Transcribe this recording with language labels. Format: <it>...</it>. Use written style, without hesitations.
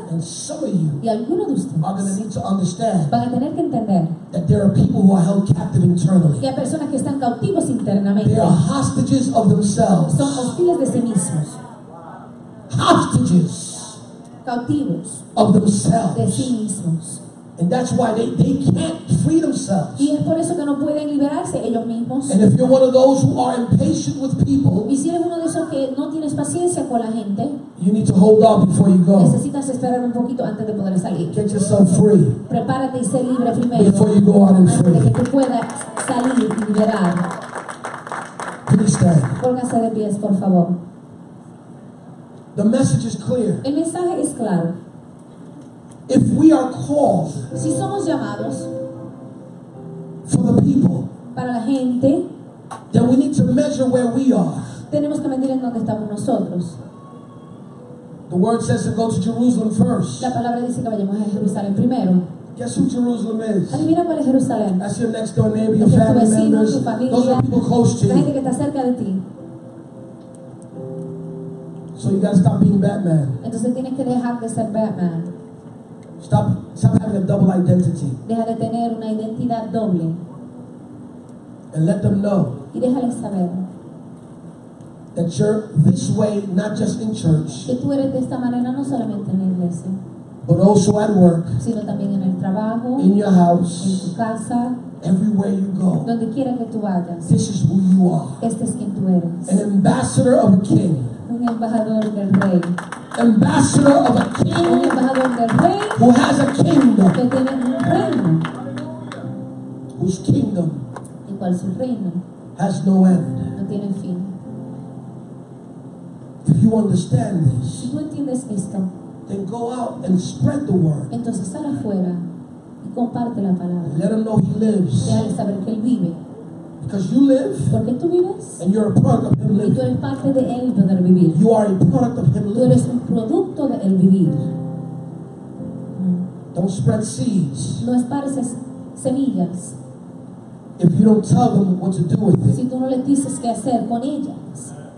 <en>And some of you,</en> <es>y algunos de ustedes,</es> <en>are going to need to understand,</en> <es>van a tener que entender,</es> <en>that there are people who are held captive internally.</en> <es>Que hay personas que están cautivos internamente.</es> <en>They are hostages of themselves.</en> <es>Son hostiles de sí mismos.</es> <en>Hostages.</en> <es>Cautivos.</es> <en>Of themselves.</en> <es>De sí mismos.</es> <en>And that's why they can't free themselves.</en> <es>Y es por eso que no pueden liberarse ellos mismos.</es> <en>And if you're one of those who are impatient with people,</en> <es>y si eres uno de esos que no tienes paciencia con la gente,</es> <en>you need to hold out before you go.</en> <es>Necesitas esperar un poquito antes de poder salir.</es> <en>Get yourself free.</en> <es>Prepárate y sé libre primero.</es> <en>Before you go out and free.</en> <es>Antes de que tú puedas salir y liberar.</es> <en>Please stand.</en> <es>Pónganse de pies, por favor.</es> <en>The message is clear.</en> <es>El mensaje es claro.</es> <en>If we are called,</en> <es>si somos llamados,</es> <en>for the people,</en> <es>para la gente,</es> <en>then we need to measure where we are.</en> <es>Tenemos que medir en donde estamos nosotros.</es> <en>The word says to go to Jerusalem first.</en> <es>La palabra dice que vayamos a Jerusalén primero.</es> <en>Guess who Jerusalem is?</en> <es>Adivina cuál es Jerusalén.</es> <en>That's your next door neighbor, your family members. Those are people close to you.</en> <es>La gente que está cerca de ti.</es> <en>So you gotta stop being Batman.</en> <es>Entonces tienes que dejar de ser Batman.</es> <en>Stop having a double identity.</en> <es>Deja de tener una identidad doble.</es> <en>And let them know.</en> <es>Y déjales saber.</es> <en>That you're this way, not just in church.</en> <es>Que tú eres de esta manera no solamente en la iglesia.</es> <en>But also at work.</en> <es>Sino también en el trabajo.</es> <en>In your house.</en> <es>En tu casa.</es> <en>Everywhere you go.</en> <es>Donde quiera que tú vayas.</es> <en>This is who you are.</en> <es>Este es quien tú eres.</es> <en>An ambassador of a king.</en> <es>Un embajador del rey.</es> <en>Ambassador of a king,</en> <es>un embajador del rey,</es> <en>who has a kingdom,</en> <es>que tiene un reino,</es> <en>whose kingdom,</en> <es>y cuál es su reino,</es> <en>has no end.</en> <es>No tiene fin.</es> <en>If you understand this,</en> <es>si tú entiendes esto,</es> <en>then go out and spread the word.</en> <es>Entonces sal afuera y comparte la palabra.</es> <en>Let him know he lives.</en> <es>Déjale saber que él vive.</es> <en>Because you live,</en> <es>porque tú vives,</es> <en>and you're a product of him living.</en> <es>Y tú eres parte de él poder vivir.</es> <en>You are a product of him living.</en> <es>Tú eres un producto de él vivir.</es> <en>Don't spread seeds.</en> <es>No esparces semillas.</es> <en>If you don't tell them what to do with it,</en> <es>si tú no les dices qué hacer con ellas,</es>